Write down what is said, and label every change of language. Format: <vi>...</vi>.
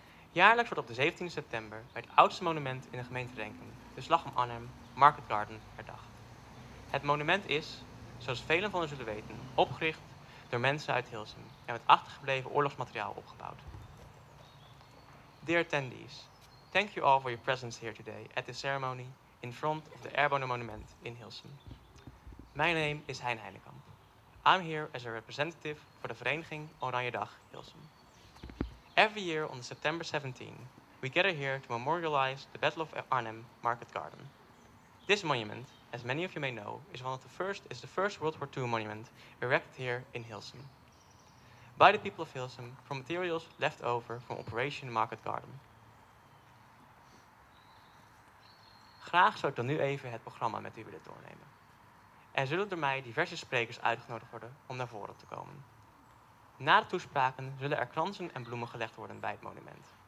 <nl>Jaarlijks wordt op de 17 september bij het oudste monument in de gemeente Renkum, de Slag om Arnhem, Market Garden, herdacht. Het monument is, zoals velen van u zullen weten, opgericht door mensen uit Hilsum en met achtergebleven oorlogsmateriaal opgebouwd.</nl> <en>Dear attendees, thank you all for your presence here today at this ceremony in front of the Airborne Monument in Hilsum. My name is Hein Heinekamp. I'm here as a representative for the Vereniging Oranjedag Hilsum. Every year on September 17, we gather here to memorialize the Battle of Arnhem Market Garden. This monument, as many of you may know, is the first World War II monument erected here in Hilsum by the people of Hilsum for materials left over from Operation Market Garden.</en> <nl>Graag zou ik dan nu even het programma met u willen doornemen. Er zullen door mij diverse sprekers uitgenodigd worden om naar voren te komen. Na de toespraken zullen er kransen en bloemen gelegd worden bij het monument.</nl>